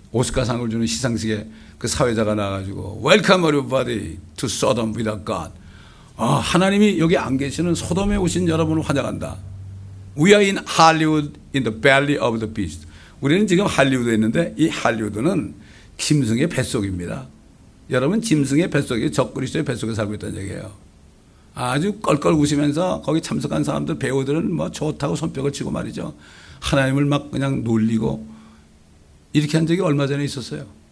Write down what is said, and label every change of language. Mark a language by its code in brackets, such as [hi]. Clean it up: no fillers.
[ko] 오스카 상을 주는 시상식에 그 사회자가 나와가지고, [en] Welcome everybody to Sodom without God. [ko] 아, 하나님이 여기 안 계시는 소돔에 오신 여러분을 환영한다. [en] We are in Hollywood in the belly of the beast. [ko] 우리는 지금 할리우드에 있는데 이 할리우드는 짐승의 뱃속입니다. 여러분 짐승의 뱃속이 적그리스도의 뱃속에 살고 있다는 얘기예요. 아주 껄껄 웃으면서 거기 참석한 사람들 배우들은 뭐 좋다고 손뼉을 치고 말이죠. 하나님을 막 그냥 놀리고 이렇게 한 적이 얼마 전에 있었어요.